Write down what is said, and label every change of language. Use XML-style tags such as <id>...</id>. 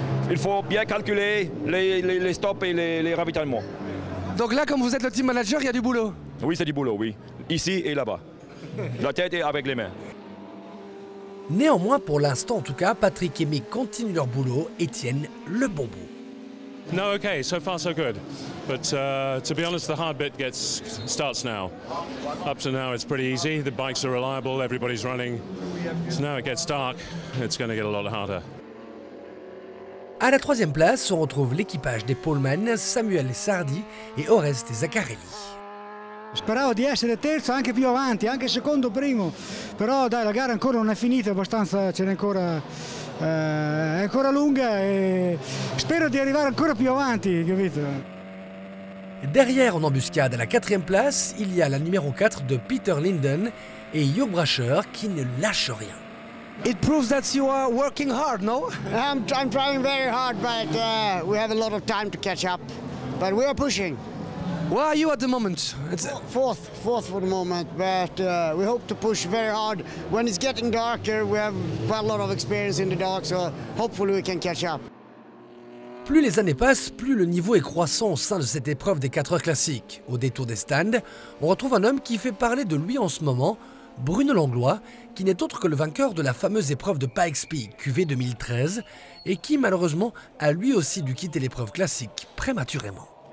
<fr>Il faut bien calculer les stops et les ravitaillements. Donc là, comme vous êtes le team manager, il y a du boulot. Oui, c'est du boulot, oui. Ici et là-bas. La tête est avec les mains. Néanmoins, pour l'instant en tout cas, Patrick et Mick continuent leur boulot et tiennent le bon bout.</fr> <en>No, okay, so far so good. But to be honest, the hard bit starts now. Up to now, it's pretty easy. The bikes are reliable, everybody's running. So now it gets dark, it's going to get a lot harder.</en> <fr>À la troisième place, on retrouve l'équipage des Pullman, Samuel Sardi et Oreste Zaccarelli.</fr> <it>Speravo di essere terzo, anche più avanti, anche secondo, primo. Però dai, la gara ancora non è finita, abbastanza, ce n'è ancora, è ancora lunga e spero di arrivare ancora più avanti, capito?</it> <fr>Derrière en embuscade à la quatrième place, il y a la numéro 4 de Peter Linden et Hugh Brasher qui ne lâche rien.</fr> <en>It proves that you are working hard, no? I'm trying very hard, but we have a lot of time to catch up. But we are pushing. Where are you at the moment? It's fourth for the moment, but we hope to push very hard. When it's getting darker, we have quite a lot of experience in the dark, so hopefully we can catch up.</en> <fr>Plus les années passent, plus le niveau est croissant au sein de cette épreuve des 4 heures classiques. Au détour des stands, on retrouve un homme qui fait parler de lui en ce moment, Bruno Langlois, qui n'est autre que le vainqueur de la fameuse épreuve de Pikes Peak, QV 2013, et qui malheureusement a lui aussi dû quitter l'épreuve classique prématurément.</fr>